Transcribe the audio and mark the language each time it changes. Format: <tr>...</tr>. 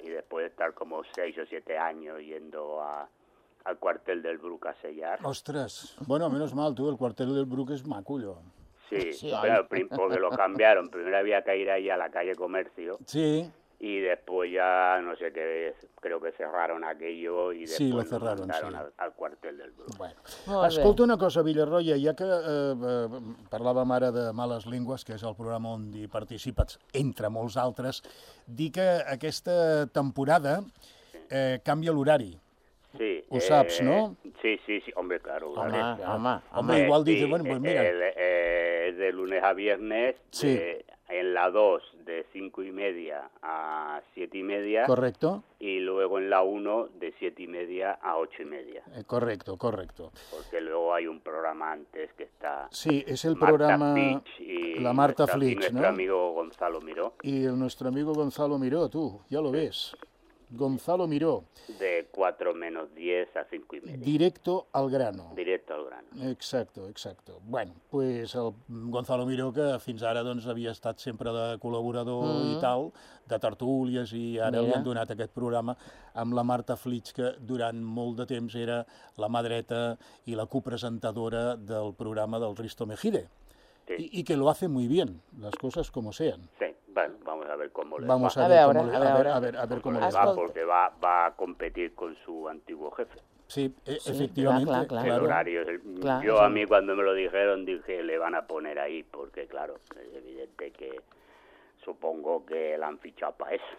<es>Y después de estar como 6 o 7 años yendo al cuartel del Bruc a sellar. Ostras, bueno, menos mal tú, el cuartel del Bruc es maculo. Sí, porque lo cambiaron. Primero había que ir ahí a la calle Comercio. Sí. Y después ya, no sé qué, creo que cerraron aquello y después sí, lo cerraron, nos mandaron al cuartel del Bruc. Bueno.</es> <ca>Escolta una cosa, Villarroya, ja que parlàvem ara de Males Llengües, que és el programa on hi participes, entre molts altres, dir que aquesta temporada canvia l'horari. Sí. Ho saps, no?</ca> <es>Sí, hombre, claro. Home, igual dices, bueno, pues mira. Es de lunes a viernes. Sí. En la 2, de 5:30 a 7:30. Correcto. Y luego en la 1, de 7:30 a 8:30. Correcto. Porque luego hay un programa antes que está... Sí, es el programa La Marta Flix, ¿no? Nuestro amigo Gonzalo Miró. Y nuestro amigo Gonzalo Miró, tú, ya lo ves. Gonzalo Miró. De 4:50 a 5:30. Directo al grano. Directo al grano. Exacto.</es> <ca>Bueno, pues el Gonzalo Miró, que fins ara doncs, havia estat sempre de col·laborador i tal, de tertúlies, i ara li han donat aquest programa amb la Marta Flix, que durant molt de temps era la mà dreta i la copresentadora del programa del Risto Mejide. Sí.</ca> <es>I que lo hace muy bien, las cosas como sean. Sí. Bueno, vamos a ver cómo le vamos va. A ver cómo le va. Porque va a competir con su antiguo jefe. Sí, efectivamente. Claro. El horario. A mí cuando me lo dijeron dije, le van a poner ahí, porque claro, es evidente que supongo que la han fichado para eso.</es>